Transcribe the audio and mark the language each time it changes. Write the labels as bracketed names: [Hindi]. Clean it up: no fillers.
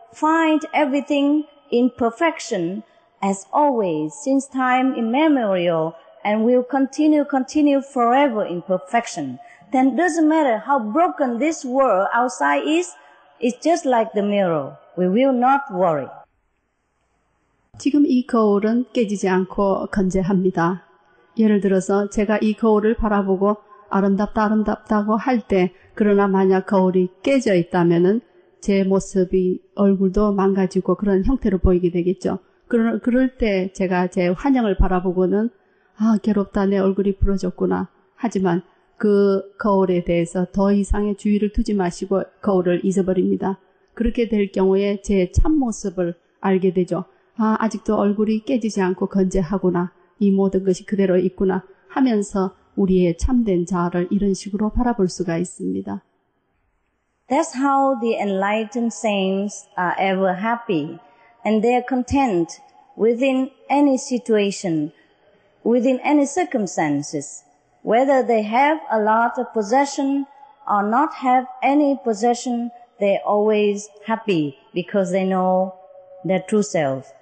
[English] find everything in perfection as always since time immemorial and will continue forever in perfection. Then doesn't matter how broken this world outside is, it's just like the mirror. We will not worry. [Korean] 지금 이 거울은 깨지지 않고 건재합니다. 예를 들어서 제가 이 거울을 바라보고 아름답다 아름답다고 할 때 그러나 만약 거울이 깨져 있다면은 제 모습이 얼굴도 망가지고 그런 형태로 보이게 되겠죠. 그럴 때 제가 제 환영을 바라보고는 아 괴롭다 내 얼굴이 부러졌구나 하지만 그 거울에 대해서 더 이상의 주의를 두지 마시고 거울을 잊어버립니다. 그렇게 될 경우에 제 참모습을 알게 되죠. 아, 아직도 얼굴이 깨지지 않고 건재하구나. 이 모든 것이 그대로 있구나 하면서 우리의 참된 자아를 이런 식으로 바라볼 수가 있습니다. [English] That's how the enlightened saints are ever happy and they are content within any situation, within any circumstances. Whether they have a lot of possession or not have any possession, they are always happy because they know their true self.